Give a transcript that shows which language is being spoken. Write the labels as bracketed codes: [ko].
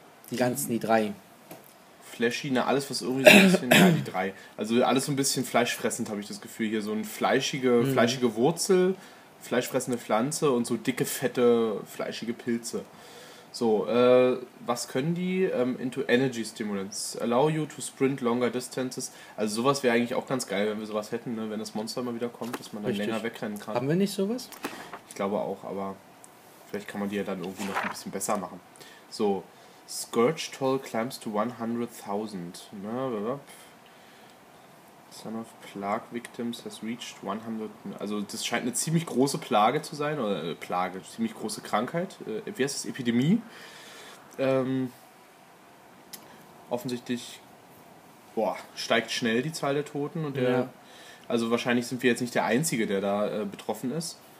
[de] Die drei. Flashy, na, alles, was irgendwie so ein bisschen, ja, die drei. Also alles so ein bisschen fleischfressend, habe ich das Gefühl. Hier so eine fleischige Wurzel, fleischfressende Pflanze und so dicke, fette, fleischige Pilze. So, was können die? [en] Into Energy Stimulants. Allow you to sprint longer distances. [de] Also sowas wäre eigentlich auch ganz geil, wenn wir sowas hätten, ne? Wenn das Monster mal wieder kommt, dass man dann länger wegrennen kann. Haben wir nicht sowas? Ich glaube auch, aber vielleicht kann man die ja dann irgendwie noch ein bisschen besser machen. [en] So. Scourge Toll climbs to 100,000. Na, Son of Plague Victims has reached 100. [de] Also, das scheint eine ziemlich große Plage zu sein. Oder Plage, ziemlich große Krankheit. Wie heißt das? Epidemie. Offensichtlich. Boah, steigt schnell die Zahl der Toten. Und der, also, wahrscheinlich sind wir jetzt nicht der Einzige, der da betroffen ist.